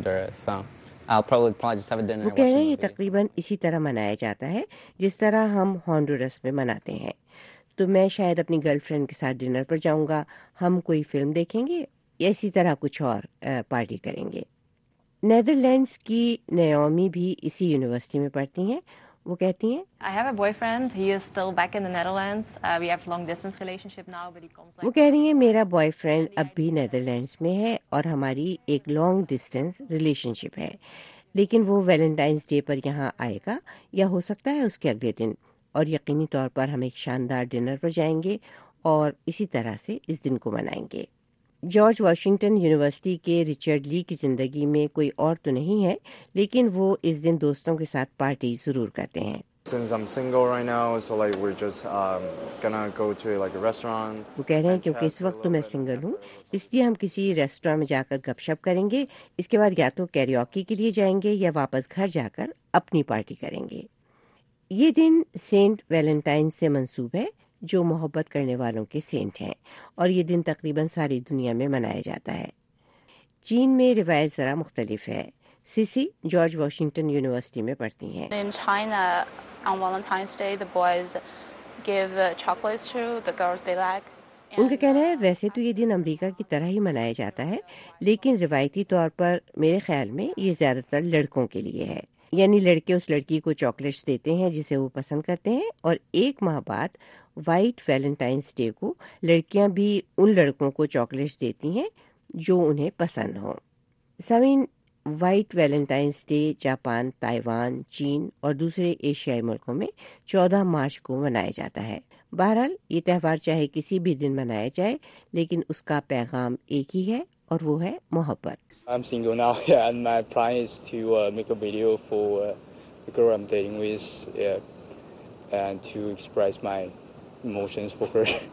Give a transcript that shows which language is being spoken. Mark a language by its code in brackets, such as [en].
[ur] کہہ رہے ہیں تقریباً اسی طرح منایا جاتا ہے جس طرح ہم ہونڈورس میں مناتے ہیں. تو میں شاید اپنی گرل فرینڈ کے ساتھ ڈنر پر جاؤں گا, ہم کوئی فلم دیکھیں گے یا اسی طرح کچھ اور پارٹی کریں گے. نیدرلینڈس کی نیومی بھی اسی یونیورسٹی میں پڑھتی ہیں. وہ کہتی ہیں [en] I have a boyfriend, he is still back in the Netherlands. We have long distance relationship now, but he comes like [ur] وہ کہہ رہی ہیں میرا بوائے فرینڈ اب بھی نیدرلینڈس میں ہے اور ہماری ایک لانگ ڈسٹینس ریلیشن شپ ہے, لیکن وہ ویلنٹائنس ڈے پر یہاں آئے گا یا ہو سکتا ہے اس کے اگلے دن, اور یقینی طور پر ہم ایک شاندار ڈنر پر جائیں گے اور اسی طرح سے اس دن کو منائیں گے. جارج واشنگٹن یونیورسٹی کے رچرڈ لی کی زندگی میں کوئی اور تو نہیں ہے, لیکن وہ اس دن دوستوں کے ساتھ پارٹی ضرور کرتے ہیں. [en] Since I'm single right now, so like we're just gonna go to like a restaurant. [ur] وہ کہہ رہے ہیں کیونکہ اس وقت تو میں سنگل ہوں اس لیے ہم کسی ریسٹوراں میں جا کر گپ شپ کریں گے, اس کے بعد یا تو کیریوکی کے لیے جائیں گے یا واپس گھر جا کر اپنی پارٹی کریں گے. یہ دن سینٹ ویلنٹائن سے منسوب ہے جو محبت کرنے والوں کے سینٹ ہیں, اور یہ دن تقریباً ساری دنیا میں منایا جاتا ہے. چین میں روایت ذرا مختلف ہے. سیسی جارج واشنگٹن یونیورسٹی میں پڑھتی ہیں. [en] In China, on Valentine's Day, the boys give chocolates to the girls they like. [ur] ان کا کہنا ہے ویسے تو یہ دن امریکہ کی طرح ہی منایا جاتا ہے, لیکن روایتی طور پر میرے خیال میں یہ زیادہ تر لڑکوں کے لیے ہے. یعنی لڑکے اس لڑکی کو چاکلیٹس دیتے ہیں جسے وہ پسند کرتے ہیں, اور ایک ماہ بعد وائٹ ویلنٹائنس ڈے کو لڑکیاں بھی ان لڑکوں کو چاکلیٹس دیتی ہیں جو انہیں پسند ہوں. سمین, white Valentines day Japan, Taiwan, چین اور دوسرے ایشیائی ملکوں میں 14 مارچ کو منایا جاتا ہے. بہرحال یہ تہوار چاہے کسی بھی دن منایا جائے لیکن اس کا پیغام ایک ہی ہے, اور وہ ہے محبت. [en] I'm single now, yeah, and my plan is to make a video for the girl I'm dating with, yeah, and to express my emotions for her.